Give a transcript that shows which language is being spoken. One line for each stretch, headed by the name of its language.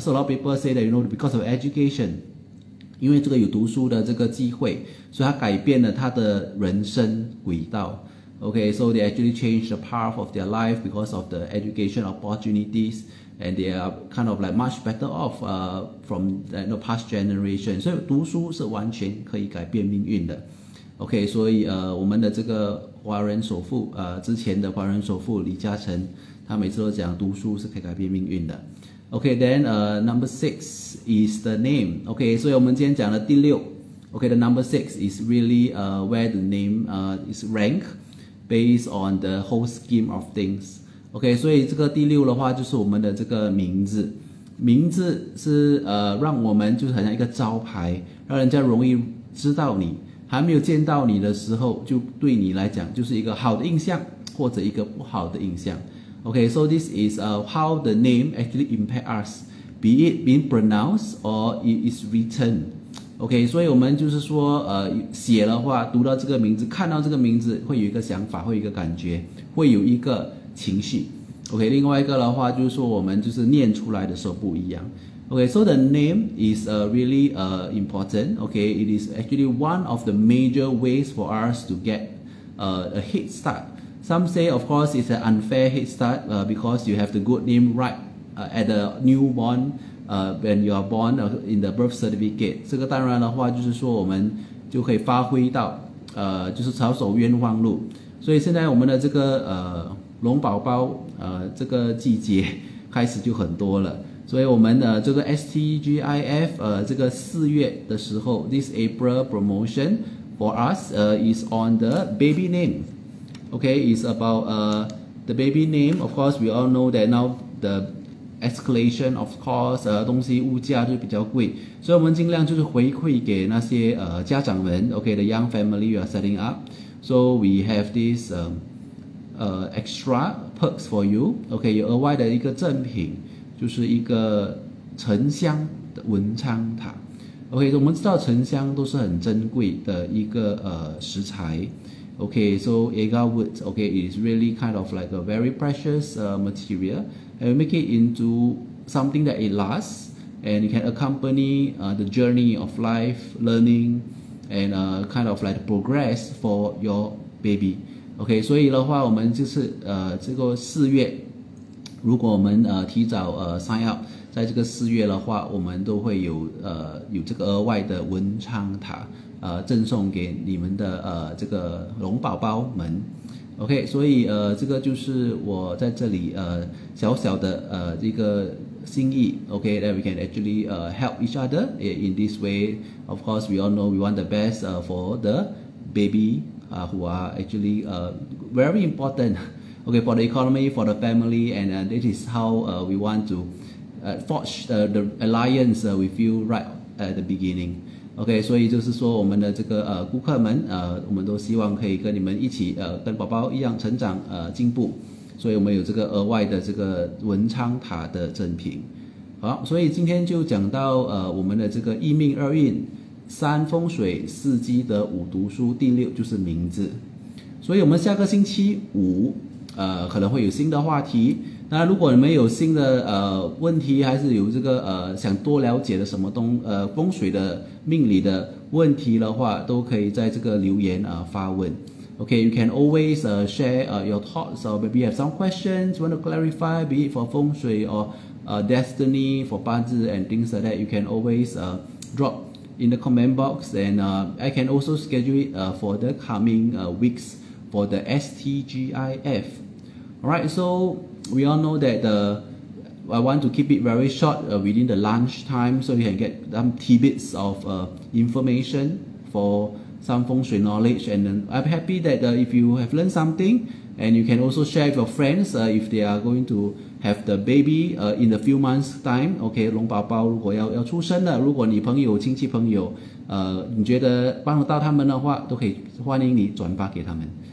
English: So a lot of people say that, you know, because of education,
Chinese: 因为这个有读书的这个机会，所以他改变了他的人生轨道。
English: Okay, so they actually change the path of their life because of the education opportunities, and they are kind of like much better off from the you know, past generation.
Chinese: 所以读书是完全可以改变命运的。Okay, 所以我们的这个华人首富之前的华人首富李嘉诚，他每次都讲读书是可以改变命运的。
English: Okay, then number six is the name. Okay, so
Chinese: 我们今天讲的第六
English: Okay, the number six is really where the name is ranked based on the whole scheme of things. Okay,
Chinese: 所以这个第六的话就是我们的这个名字名字是让我们就是好像一个招牌，让人家容易知道你，还没有见到你的时候就对你来讲就是一个好的印象或者一个不好的印象。
English: OK, so this is how the name actually impact us, be it being pronounced or it is written.
Chinese: OK, 所以我们就是说写的话，读到这个名字，看到这个名字，会有一个想法，会有一个感觉，会有一个情绪。 OK, 另外一个的话就是说我们就是念出来的时候不一样。
English: OK, so the name is really important. OK, it is actually one of the major ways for us to get a head start. Some say of course it's an unfair head start because you have the good name right at the newborn when you are born in the birth certificate.
Chinese: 这个当然的话就是说我们就可以发挥到就是抄手冤枉路。所以现在我们的这个龙宝宝这个季节开始就很多了，所以我们的这个 STGIF 这个四月的时候
English: This April promotion for us is on the baby name. OK, it's about the baby name. Of course, we all know that now the escalation of cost
Chinese: 东西物价就比较贵，所以我们尽量就是回馈给那些家长们。
English: OK, the young family you are setting up, so we have this extra perks for you.
Chinese: OK, 有额外的一个赠品，就是一个沉香的文昌塔。 OK, 我们知道沉香都是很珍贵的一个食材。
English: OK, so agarwood, OK, is really kind of like a very precious material, and we make it into something that it lasts and it can accompany the journey of life, learning and kind of like progress for your babyOK,
Chinese: 所以的话我们就是这个四月，如果我们提早sign up, 在这个四月的话我们都会有这个额外的文昌塔赠送给你们的这个龙宝宝们。 OK, 所以这个就是我在这里小小的这个心意。
English: OK, that we can actually help each other in this way. Of course, we all know we want the best for the babywho are actually very important, okay, for the economy, for the family, and this is how we want to forge the alliance with you right at the beginning.
Chinese: Okay, 所以就是说我们的这个顾客们我们都希望可以跟你们一起跟宝宝一样成长进步，所以我们有这个额外的这个文昌塔的赠品。好，所以今天就讲到我们的这个一命二运三风水四积德五读书第六就是名字。所以我们下个星期五可能会有新的话题。那如果你们有新的问题，还是有这个想多了解的什么风水的命理的问题的话，都可以在这个留言发问。
English: OK, you can always share your thoughts, or maybe have some questions, want to clarify, be it for 风水 or destiny, for Bazi and things like that, you can always dropin the comment box, and I can also schedule it for the coming weeks for the STGIF. Alright, so we all know that I want to keep it very short within the lunch time, so you can get some tidbits of information for some feng shui knowledge. And I'm happy that if you have learned something, and you can also share with your friends if they are going to have the baby in a few months time.
Chinese: Okay, 龙宝宝如果要出生了，如果你朋友亲戚朋友你觉得帮得到他们的话，都可以欢迎你转发给他们。